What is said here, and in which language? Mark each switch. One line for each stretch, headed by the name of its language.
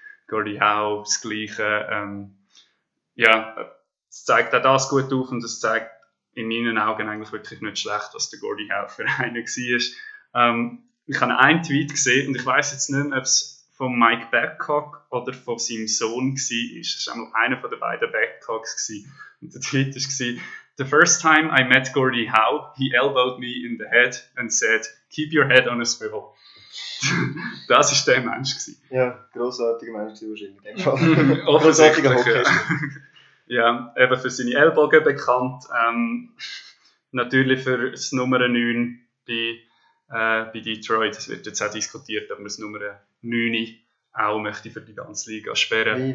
German: Gordie Howe, das Gleiche. Es zeigt auch das gut auf und es zeigt in meinen Augen eigentlich wirklich nicht schlecht, was der Gordie Howe für einen war. Ich habe einen Tweet gesehen und ich weiss jetzt nicht mehr, ob es von Mike Babcock oder von seinem Sohn war. Es war einmal einer der beiden Babcocks. Und der Tweet war,
English: The first time I met Gordie Howe, he elbowed me in the head and said, keep your head on a swivel.
German: Das war der Mensch. Ja, grossartiger Mensch wahrscheinlich. Offensichtlich. Ja, eben für seine Ellbogen bekannt. Natürlich für das Nummer 9 bei Detroit. Es wird jetzt auch diskutiert, ob man das Nummer 9 auch möchte für die ganze Liga sperren.